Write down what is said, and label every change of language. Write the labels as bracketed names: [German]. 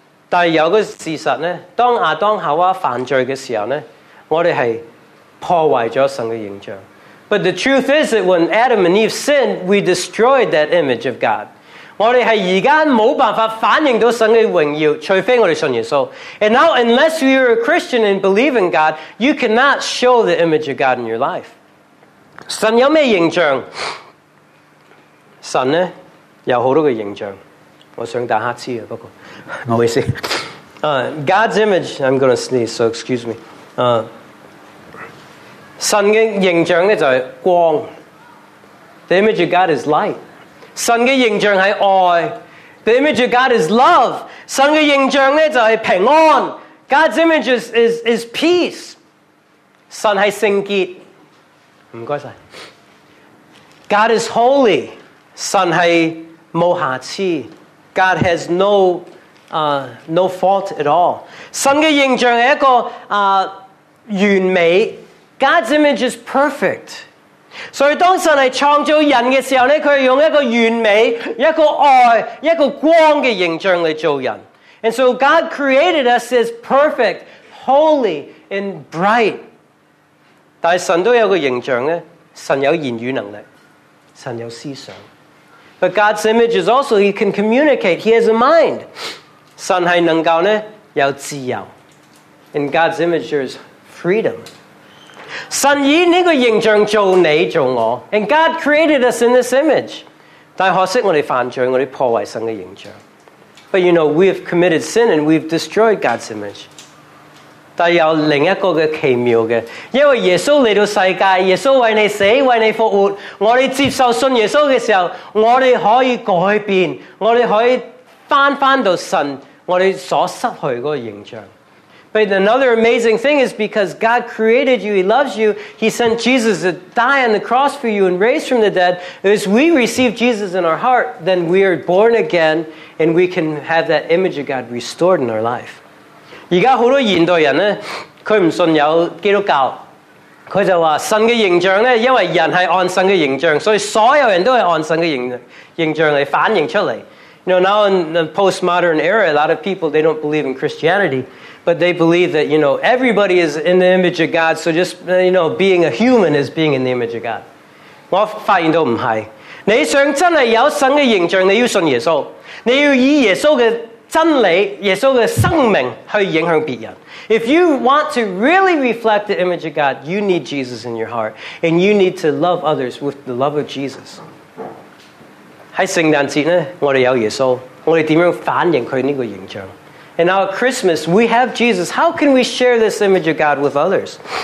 [Chinese] 但有个事实呢，当亚当夏娃犯罪的时候呢，我们是破坏了神的形象。 [English] But the truth is that when Adam and Eve sinned, we destroyed that image of God. [Chinese] 我们是现在没办法反映到神的荣耀，除非我们信耶稣。 [English] And now, unless you're a Christian and believe in God, you cannot show the image of God in your life. [Chinese] 神有什么形象？神呢有很多个形象，我想打哈欠，不过不好意思。 [English] God's image, I'm going to sneeze, so excuse me. [Chinese] 神的形象就是光。 [English] The image of God is light. [Chinese] 神的形象是爱。 [English] The image of God is love. [Chinese] 神的形象就是平安。 [English] God's image is peace. [Chinese] 神是圣洁。谢谢。 [English] God is holy. [Chinese] 神是无瑕疵。 [English] God has no fault at all. [Chinese] 神的形象是一个完美。 [English] God's image is perfect. [Chinese] 所以当神是创造人的时候，他是用一个完美、一个爱、一个光的形象来做人。 [English] And so God created us as perfect, holy, and bright. [Chinese] 但神都有个形象呢，神有言语能力，神有思想。 [English] But God's image is also, he can communicate, he has a mind. [Chinese] 神是能够呢，有自由。 [English] In God's image, there is freedom. [Chinese] 神以这个形象做你做我。 [English] And God created us in this image. [Chinese] 但可惜我们犯罪，我们破坏神的形象。 [English] But you know, we have committed sin and we've destroyed God's image. [Chinese] 但有另一个的奇妙的，因为耶稣来到世界，耶稣为你死，为你复活，我们接受信耶稣的时候，我们可以改变，我们可以回到神我们所失去的形象。 [English] But another amazing thing is because God created you, he loves you, he sent Jesus to die on the cross for you and raise from the dead. As we receive Jesus in our heart, then we are born again and we can have that image of God restored in our life. [Chinese] 现在很多现代人呢，他不信有基督教，他就说神的形象呢，因为人是按神的形象，所以所有人都是按神的形象来反映出来。 [English] You know, now in the postmodern era, a lot of people, they don't believe in Christianity, but they believe that, you know, everybody is in the image of God, so just, you know, being a human is being in the image of God. [Chinese] 我发现都不是。你想真的有神的形象，你要信耶稣。你要以耶稣的真理、耶稣的生命去影响别人。 [English] If you want to really reflect the image of God, you need Jesus in your heart, and you need to love others with the love of Jesus. [Chinese] 在圣诞节呢，我哋有耶稣，我哋点样反映佢呢个形象？ [English] And now at Christmas, we have Jesus. How can we share this image of God with others?